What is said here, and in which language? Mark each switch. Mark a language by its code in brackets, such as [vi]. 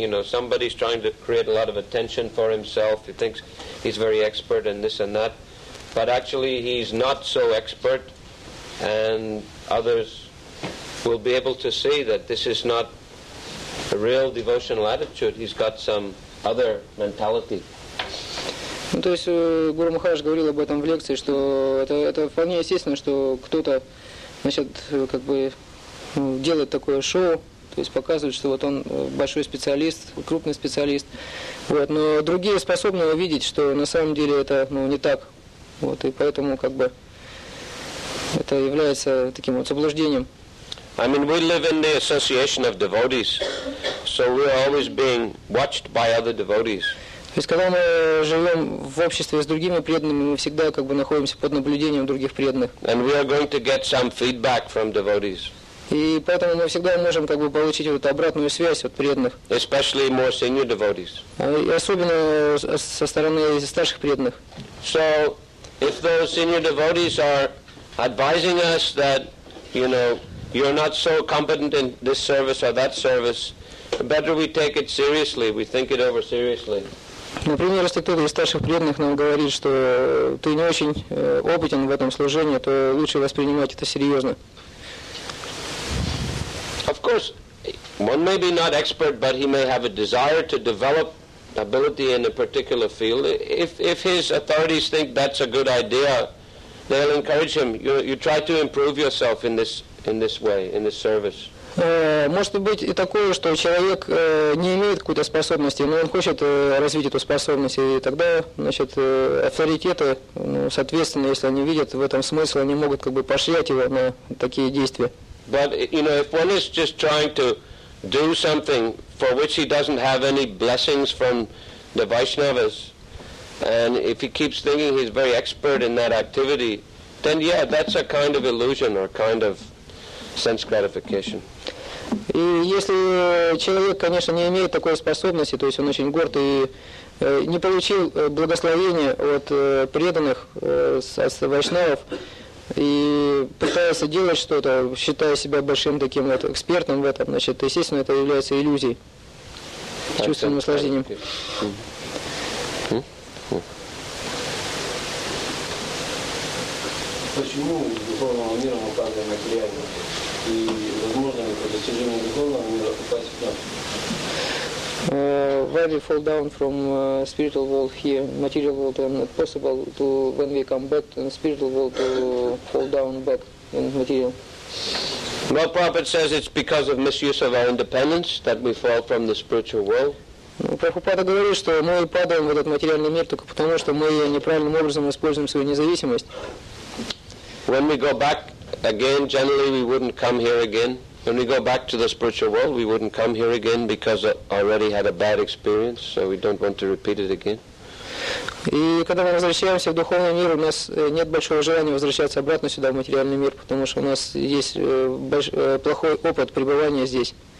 [en] You know, somebody's trying to create a lot of attention for himself. He thinks he's very expert in this and that. But actually, he's not so expert. And others will be able to see that this is not a real devotional attitude. He's got some other mentality. [ru] Ну, то есть Гуру Махарадж говорил об этом в лекции, что это вполне естественно, что кто-то, значит, как бы делает такое шоу, то есть показывает, что вот он большой специалист, крупный специалист. Вот, но другие способны увидеть, что на самом деле это, ну, не так. Вот, и поэтому как бы это является таким вот заблуждением. [en] I mean, we live in the association of devotees, so we are always being watched by other devotees. [ru] То есть, когда мы живем в обществе с другими преданными, мы всегда как бы находимся под наблюдением других преданных. [en] And we are going to get some feedback from devotees. [ru] И поэтому мы всегда можем как бы получить вот обратную связь от преданных. [en] Especially more senior devotees. [ru] И особенно со стороны старших преданных. [en] So, if those senior devotees are advising us that, you know, you're not so competent in this service or that service, better we take it seriously, we think it over seriously. [ru] Например, если кто-то из старших преданных нам говорит, что ты не очень опытен в этом служении, то лучше воспринимать это серьезно. [en] Of course, one may be not expert, but he may have a desire to develop ability in a particular field. If his authorities think that's a good idea, they'll encourage him. You try to improve yourself in this way, in this service. [ru] Может быть и такое, что человек не имеет какой-то способности, но он хочет развить эту способность, и тогда, значит, авторитеты, ну, соответственно, если они видят в этом смысл, они могут как бы поощрять его на такие действия. [en] But, you know, if one is just trying to do something for which he doesn't have any blessings from the Vaishnavas, and if he keeps thinking he's very expert in that activity, then yeah, that's a kind of illusion or kind of sense gratification. [ru] И если человек, конечно, не имеет такой способности, то есть он очень горд и не получил благословения от преданных, от вайшнавов, и пытается делать что-то, считая себя большим таким вот экспертом в этом, значит, естественно, это является иллюзией, чувственным наслаждением. Почему в духовном мире мы падаем материально? [en] Why do we fall down from spiritual world here, material world, and not possible to when we come back in spiritual world to fall down back in material? Well, Prabhupada says it's because of misuse of our independence that we fall from the spiritual world. [ru] Прабхупада говорит, что мы падаем в этот материальный мир только потому, что мы неправильным образом используем свою независимость. [en] When we go back again, generally we wouldn't come here again. When we go back to the spiritual world, we wouldn't come here again because I already had a bad experience, so we don't want to repeat it again. [ru] И когда мы возвращаемся в духовный мир, у нас нет большого желания возвращаться обратно сюда, в материальный мир, потому что у нас есть плохой опыт пребывания здесь.